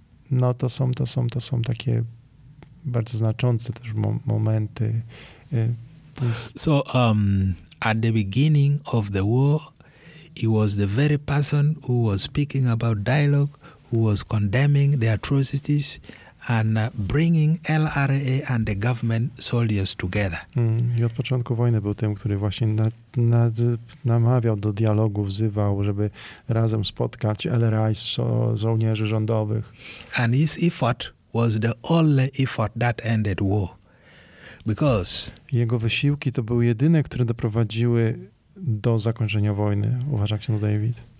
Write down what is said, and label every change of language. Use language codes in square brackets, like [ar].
[pl] No to są takie bardzo znaczące też momenty. [en] So at the beginning of the war, he was the very person who was speaking about dialogue, who was condemning the atrocities and bringing LRA and the government soldiers together. [pl] I od początku wojny był tym, który właśnie namawiał do dialogu, wzywał, żeby razem spotkać LRA i żołnierzy rządowych. [en] And his effort was the only effort that ended war. Because [pl] jego wysiłki to były jedyne, które doprowadziły do zakończenia wojny, uważa ksiądz David.